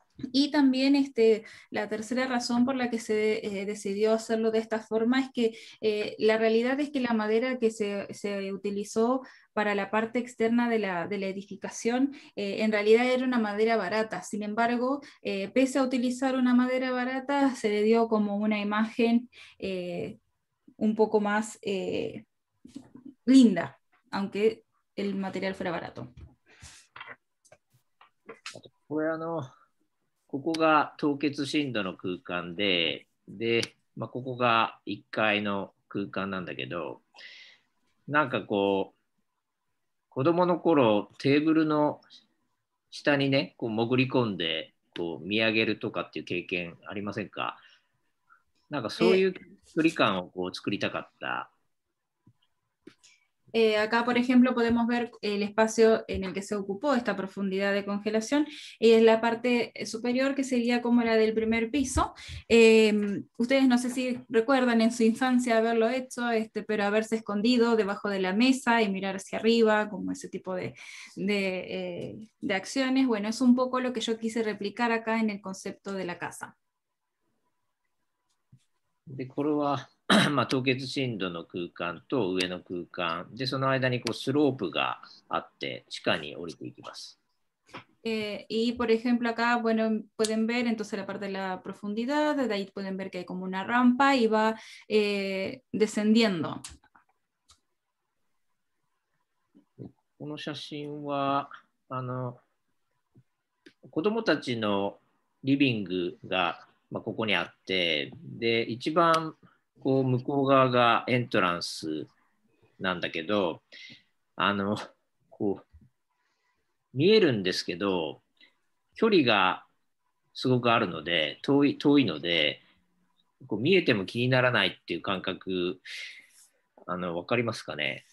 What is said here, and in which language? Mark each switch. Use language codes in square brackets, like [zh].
[es] Y también la tercera razón por la que se decidió hacerlo de esta forma es que la realidad es que la madera que se utilizó para la parte externa de la edificación en realidad era una madera barata. Sin embargo, pese a utilizar una madera barata, se le dio como una imagen un poco más linda, aunque el material fuera barato. Bueno. [ja] ここが凍結深度の空間で、で、まあ、ここが1階の空間なんだけど、なんかこう、子供の頃、テーブルの下にね、こう潜り込んで、こう見上げるとかっていう経験ありませんか？なんかそういう距離感をこう作りたかった。 [es] Acá, por ejemplo, podemos ver el espacio en el que se ocupó esta profundidad de congelación y es la parte superior que sería como la del primer piso. Ustedes no sé si recuerdan en su infancia haberlo hecho, pero haberse escondido debajo de la mesa y mirar hacia arriba, como ese tipo de acciones. Bueno, es un poco lo que yo quise replicar acá en el concepto de la casa. De Córdoba. [ja] まあ、凍結深度の空間と上の空間でその間にこうスロープがあって地下に降りていきます。 [es] Y por ejemplo acá bueno pueden ver entonces la parte de la profundidad de ahí pueden ver que hay como una rampa y va descendiendo。 [ja] この写真は子どもたちのリビングが、まあ、ここにあってで一番こう向こう側がエントランスなんだけど、こう見えるんですけど、距離がすごくあるので、遠いので、こう見えても気にならないっていう感覚、分かりますかね？